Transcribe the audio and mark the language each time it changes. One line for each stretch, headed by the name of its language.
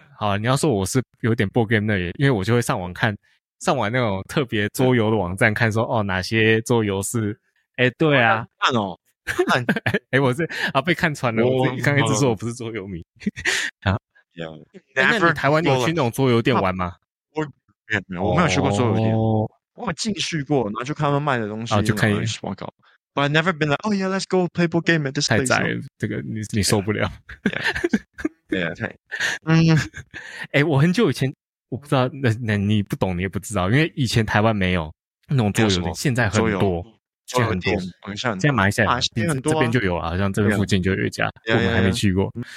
Chinese: 好，你要说我是有点 board game 那也，因为我就会上网那种特别桌游的网站看说、嗯、哦哪些桌游是，哎对啊，看哦。哎、欸，我是啊，被看穿了。我刚一直说我不是桌游迷啊。
English: Yeah, never 欸、
Chinese: 那你台湾有去那种桌游店玩吗？我没有，我没有去过桌游店。
English: Oh.
Chinese: 我有进去过，然后就看他们卖的东西，就看一些广告。
English: But I never been like, oh yeah, let's go play board game at this place.
Chinese: 太宅了，这个你受不了。对啊，嗯，我很久以前我不知道，那你不懂，你也不知道，因为以前台湾没有那种桌游店，现在很多。很多，现在马来西亚很多、啊、这边就有了，好像这个附近就有一家，
English: yeah.
Chinese: 我们还没去过。